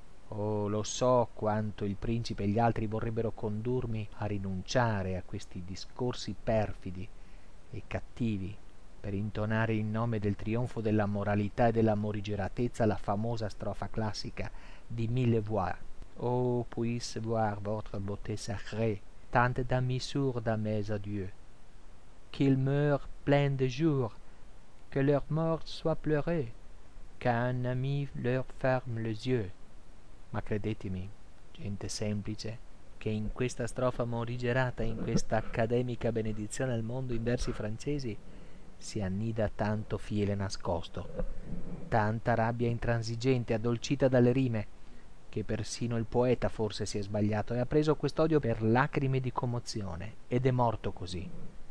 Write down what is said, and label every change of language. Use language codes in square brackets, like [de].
[it] Oh, lo so quanto il principe e gli altri vorrebbero condurmi a rinunciare a questi discorsi perfidi e cattivi per intonare in nome del trionfo della moralità e della morigeratezza la famosa strofa classica di Mille Voix. [fr] Oh, puisse voir votre beauté sacrée, tant d'amis sourds dans mes adieux, qu'ils meurent plein de jours, que leur mort soit pleurée, qu'un ami leur ferme les yeux. [it] Ma credetemi, gente semplice, che in questa strofa morigerata, in questa accademica benedizione al mondo in versi francesi, si annida tanto fiele nascosto, tanta rabbia intransigente, addolcita dalle rime, che persino il poeta forse si è sbagliato e ha preso quest'odio per lacrime di commozione ed è morto così.